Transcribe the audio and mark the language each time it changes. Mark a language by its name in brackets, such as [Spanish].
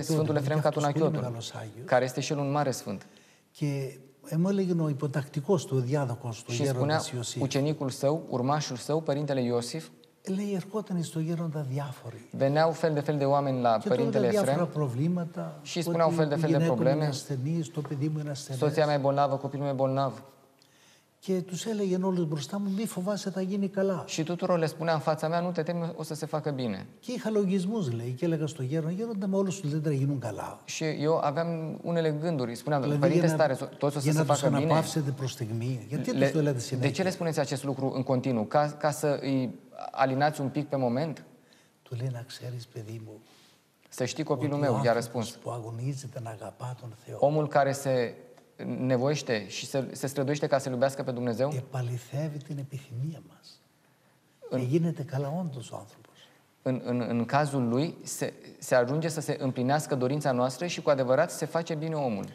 [Romanian] Și de Sfântul Εφραίμ Κατουνακιώτου. Care este și el un mare sfânt. [Greek] Και μου έλεγε ο υποτακτικός του, ο διάδοχος του, ο γέροντας Ιωσήφ. [Romanian] Ucenicul său, urmașul său, părintele Iosif. [Greek] Lei ερχόταν στο γέροντα διάφοροι. [Romanian] Veneau fel de fel de oameni la [Greek] και [Romanian] părintele Efrem. Și spuneau fel de fel de probleme. Soția mea e bolnavă, copilul meu e bolnav. [Greek] Και τους έλεγε όλους μπροστά μου, μη φοβάσαι, θα γίνει καλά. [Romanian] Și tuturor le spunea în fața mea, nu te teme, o să se facă bine. [Greek] Και είχα λογισμούς, λέει, και έλεγα στο γέρον, γέροντα, μα όλους τους δεν θα γίνουν καλά. [Romanian] Și eu aveam unele gânduri, spuneam, părinte stare, toți o să se facă [Greek] bine. Για να τους αναπαύσετε προς στιγμή. Γιατί τους το έλεγε συνέχεια. [Romanian] De ce le spuneți acest lucru în continuu? Ca să îi alinați un pic pe moment? [Greek] Του λέει, να ξέρεις, παιδί μου. [Romanian] Să știi, copilul meu, i-a răspuns. [Greek] Που αγωνίζεται να αγαπά τον Θεό. [Romanian] Omul care se nevoiește și se străduiește ca să-L iubească pe Dumnezeu. [Greek] Επαληθεύει την επιθυμία μας. Και γίνεται καλά όντως ο άνθρωπος. [Romanian] În cazul lui se ajunge să se împlinească dorința noastră și cu adevărat se face bine omul.